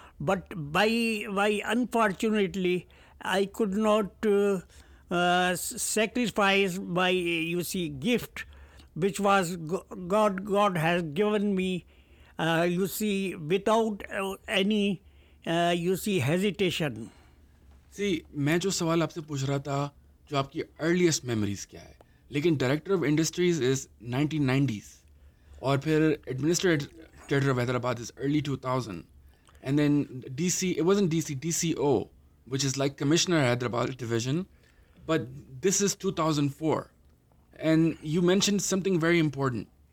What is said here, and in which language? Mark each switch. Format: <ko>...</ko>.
<en>But by unfortunately, I could not sacrifice my, gift, which was God has given me, without any, hesitation.</en> <hi>See, मैं जो सवाल आपसे पूछ रहा था, जो आपकी</hi> <en>earliest memories</en> <hi>क्या है? लेकिन</hi> <en>director of industries is 1990s,</en> <hi>और फिर</hi> <en>administrator of Hyderabad is early 2000. And then DC, it wasn't DC, DCO, which is like Commissioner Hyderabad Division. But this is 2004. And you mentioned something very important.</en>